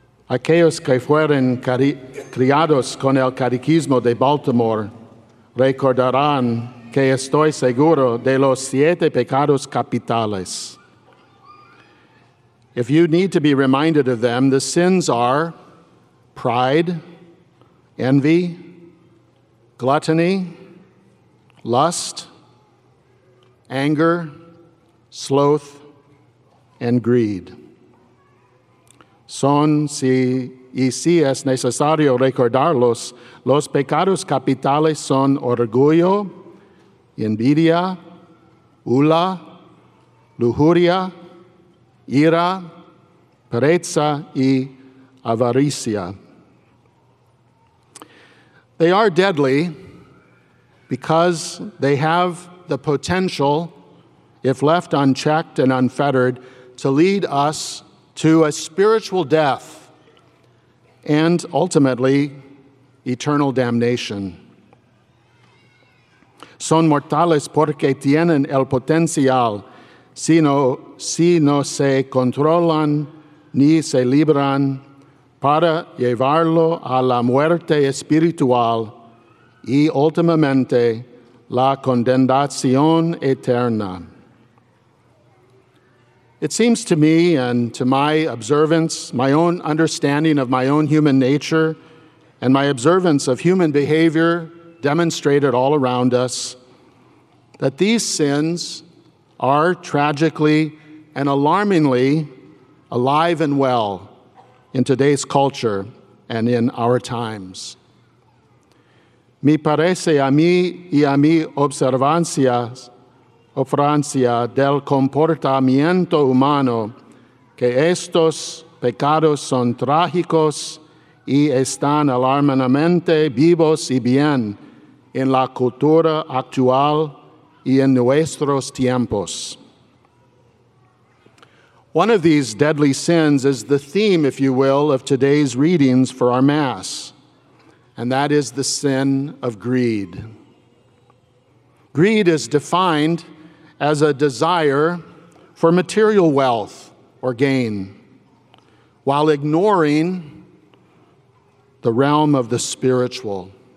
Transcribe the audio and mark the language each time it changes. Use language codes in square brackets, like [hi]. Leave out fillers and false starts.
[es] Aquellos que fueron criados con el catequismo de Baltimore recordarán que estoy seguro de los siete pecados capitales. [en] If you need to be reminded of them, the sins are pride, envy, gluttony, lust, anger, sloth, and greed. [es] Son, si y si es necesario recordarlos, los pecados capitales son orgullo, envidia, gula, lujuria, ira, pereza, y avaricia. [en] They are deadly because they have the potential, if left unchecked and unfettered, to lead us to a spiritual death and ultimately eternal damnation. [es] Son mortales porque tienen el potencial, si no se controlan ni se libran, para llevarlo a la muerte espiritual y últimamente la condenación eterna. [en] It seems to me, and to my observance, my own understanding of my own human nature, and my observance of human behavior demonstrated all around us, that these sins are tragically and alarmingly alive and well in today's culture and in our times. [es] Me parece a mí y a mi observancia del comportamiento humano que estos pecados son trágicos y están alarmantemente vivos y bien en la cultura actual y en nuestros tiempos. [en] One of these deadly sins is the theme, if you will, of today's readings for our Mass, and that is the sin of greed. Greed is defined as a desire for material wealth or gain, while ignoring the realm of the spiritual.